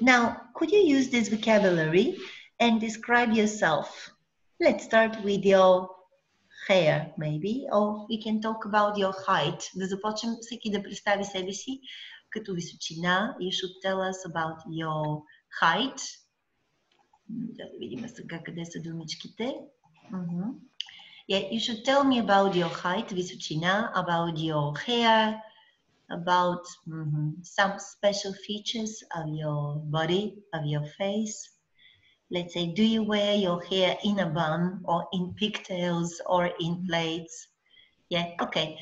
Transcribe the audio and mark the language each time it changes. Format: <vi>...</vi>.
<en>Now, could you use this vocabulary and describe yourself? Let's start with your hair, maybe, or we can talk about your height.</en> <bg>Да започнем всеки да представи себе си като височина.</bg> <en>You should tell us about your height.</en> <bg>Да видим сега къде са думичките.</bg> <en>Yeah, you should tell me about your height, височина, about your hair, about some special features of your body, of your face. Let's say, do you wear your hair in a bun or in pigtails or in plaits? Yeah, okay.</en>